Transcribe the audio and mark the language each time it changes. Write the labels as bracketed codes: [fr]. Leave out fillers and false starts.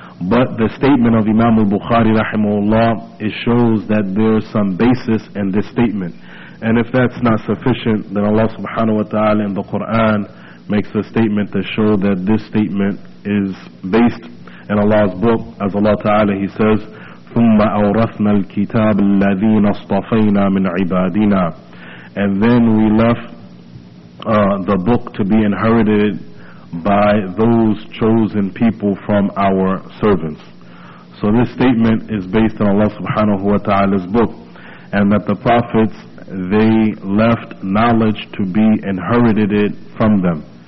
[en] But the statement of Imam al-Bukhari rahimahullah, it shows that there is some basis in this statement. And if that's not sufficient, then Allah subhanahu wa ta'ala in the Quran makes a statement to show that this statement is based in Allah's book. As Allah ta'ala, he says, [ar] ثُمَّ أَوْرَثْنَا الْكِتَابَ الَّذِينَ اصْطَفَيْنَا مِنْ عِبَادِنَا. [en] And then we left the book to be inherited by those chosen people from our servants. So this statement is based on Allah subhanahu wa ta'ala's book, and that the prophets, they left knowledge to be inherited it from them.